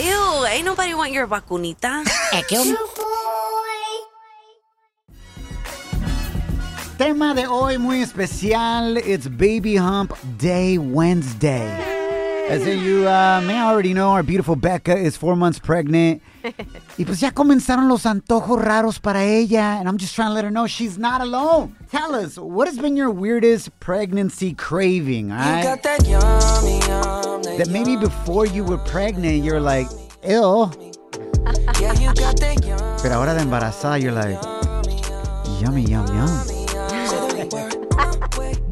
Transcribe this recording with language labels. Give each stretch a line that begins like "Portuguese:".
English: Ew, ain't nobody want your vacunita. Shaboy.
Spanish: tema de hoy muy especial.
English: It's Baby Hump Day Wednesday. As you may already know, our beautiful Becca is 4 months pregnant.
Spanish: Y pues ya comenzaron los antojos raros para ella.
English: And I'm just trying to let her know she's not alone. Tell us, what has been your weirdest pregnancy craving, all right? You got that yummy, yummy, that maybe before you were pregnant, you were like, ew. Yeah, you got that yummy.
Spanish: Pero ahora de embarazada,
English: you're like, yummy, yum, yum.